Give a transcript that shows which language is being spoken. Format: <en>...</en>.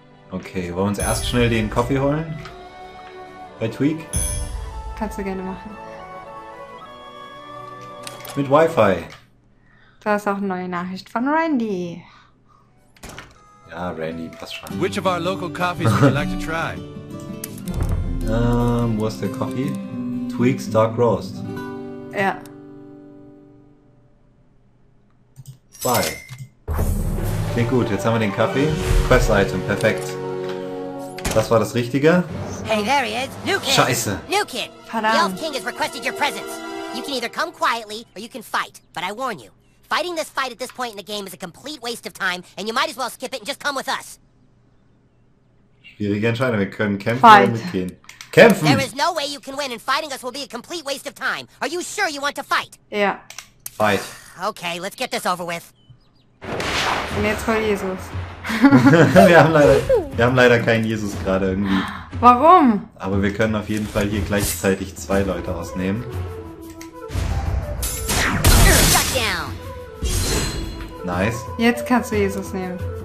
<de>Okay, wollen wir uns erst schnell den Coffee holen? Bei Tweak? Kannst du gerne machen. Mit Wi-Fi. Du hast auch eine neue Nachricht von Randy. Ja, Randy, passt schon.</de> <en>Which of our local coffees would you like to try?</en> <de>Wo ist der Coffee? Tweaks Dark Roast. Ja.</de> <en>Bye.</en> <de>Okay, gut, jetzt haben wir den Kaffee. Quest Item, perfekt. Das war das Richtige.</de> <en>Hey, there he is. New kid.</en> <de>Scheiße.</de> <en>New kid.</en> <de>Verdammt.</de> <en>The Elf King has requested your presence. You can either come quietly or you can fight, but I warn you. Fighting this fight at this point in the game is a complete waste of time and you might as well skip it and just come with us.</en> <de>Schwierige Entscheidung, wir können kämpfen oder mitgehen. Kämpfen!</de> <en>There is no way you can win and fighting us will be a complete waste of time. Are you sure you want to fight?</en> <de>Ja.</de> <en>Fight. Okay, let's get this over with.</en> <de>Und jetzt voll Jesus. wir haben leider keinen Jesus gerade irgendwie. Warum? Aber wir können auf jeden Fall hier gleichzeitig zwei Leute ausnehmen.</de> <en>Shut down! Nice.</en> <de>Jetzt kannst du Jesus nehmen.</de>